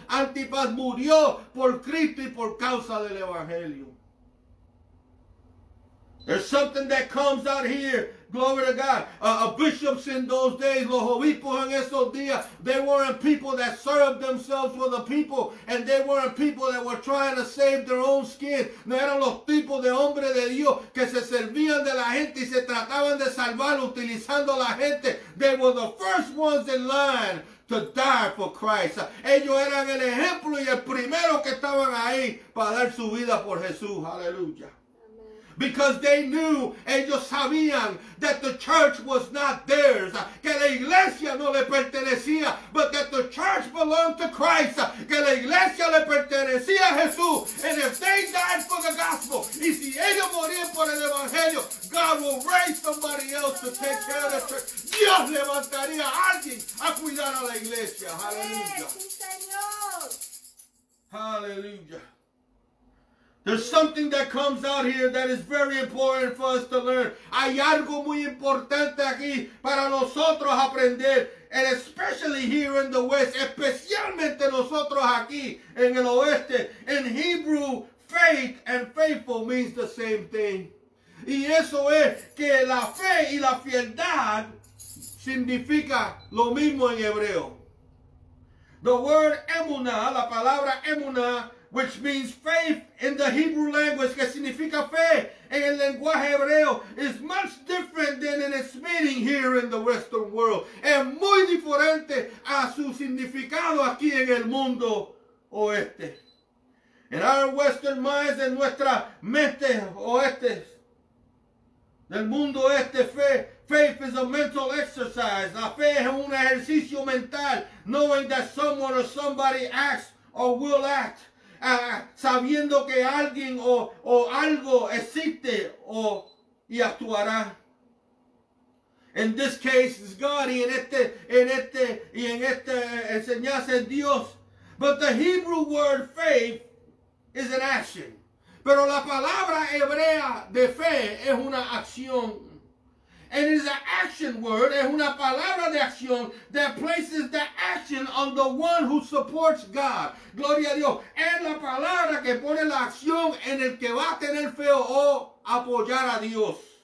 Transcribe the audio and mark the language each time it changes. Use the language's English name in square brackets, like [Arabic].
[Spanish] Antipas murió por Cristo y por causa del Evangelio. [English] There's something that comes out here Glory to God. Bishops in those days, [Spanish] los obispos en esos días, [English] they weren't people that served themselves for the people, and they weren't people that were trying to save their own skin. [Spanish] No eran los tipos de hombres de Dios que se servían de la gente y se trataban de salvar utilizando la gente. [English] They were the first ones in line to die for Christ. [Spanish] Ellos eran el ejemplo y el primero que estaban ahí para dar su vida por Jesús. [English] Hallelujah. Because they knew, [Spanish] ellos sabían, [English] that the church was not theirs. [Spanish] Que la iglesia no le pertenecía, [English] but that the church belonged to Christ. [Spanish] Que la iglesia le pertenecía a Jesús. [English] And if they died for the gospel, [Spanish] y si ellos morían por el evangelio, [English] God will raise somebody else to take care of the church. [Spanish] Dios levantaría a alguien a cuidar a la iglesia. [English] Hallelujah. Hallelujah. There's something that comes out here that is very important for us to learn. [Spanish] Hay algo muy importante aquí para nosotros aprender. [English] And especially here in the West, [Spanish] especialmente nosotros aquí en el Oeste. [English] In Hebrew, faith and faithful means the same thing. [Spanish] Y eso es que la fe y la fieldad significa lo mismo en hebreo. [English] The word emunah, [Spanish] la palabra emunah, [English] which means faith in the Hebrew language, [Spanish] que significa fe en el lenguaje hebreo, [English] is much different than in its meaning here in the Western world. [Spanish] Es muy diferente a su significado aquí en el mundo oeste. [English] In our Western minds, [Spanish] en nuestra mente oeste, del mundo oeste, fe, [English] faith is a mental exercise. [Spanish] La fe es un ejercicio mental, [English] knowing that someone or somebody acts or will act. [Spanish] Sabiendo que alguien o algo existe y actuará. [English] In this case, it's God, [Spanish] y en este enseñanza es Dios. [English] But the Hebrew word faith is an action. [Spanish] Pero la palabra hebrea de fe es una acción. [English] And it is an action word, [Spanish] es una palabra de acción, [English] that places the action on the one who supports God. [Spanish] Gloria a Dios. Es la palabra que pone la acción en el que va a tener fe o apoyar a Dios.